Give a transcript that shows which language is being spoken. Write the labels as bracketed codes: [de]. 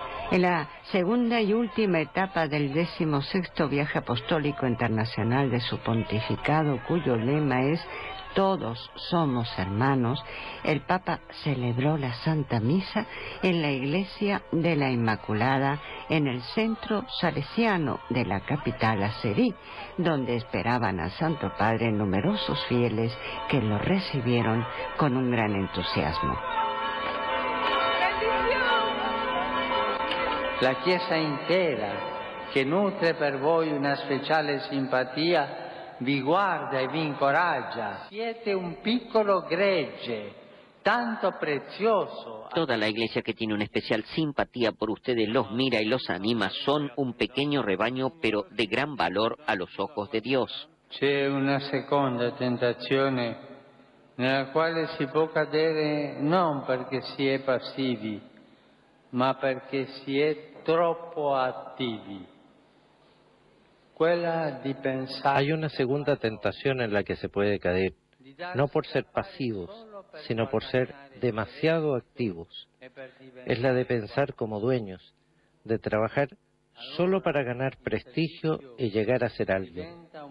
[es] En la segunda y última etapa del 16º viaje apostólico internacional de su pontificado, cuyo lema es Todos somos hermanos, el Papa celebró la Santa Misa en la Iglesia de la Inmaculada en el Centro Salesiano de la capital azerí, donde esperaban al Santo Padre numerosos fieles que lo recibieron con un gran entusiasmo. [it] La Chiesa intera, che nutre per voi una speciale simpatia, vi guarda e vi incoraggia. Siete un piccolo gregge, tanto prezioso. [es] Toda la iglesia que tiene una especial simpatía por ustedes los mira y los anima. Son un pequeño rebaño, pero de gran valor a los ojos de Dios. [it] C'è una seconda tentazione nella quale si può cadere non perché si è passivi, ma perché si è troppo attivi. Quella di pensare. [es] Hay una segunda tentación en la que se puede caer, no por ser pasivos, sino por ser demasiado activos. Es la de pensar como dueños, de trabajar solo para ganar prestigio y llegar a ser alguien.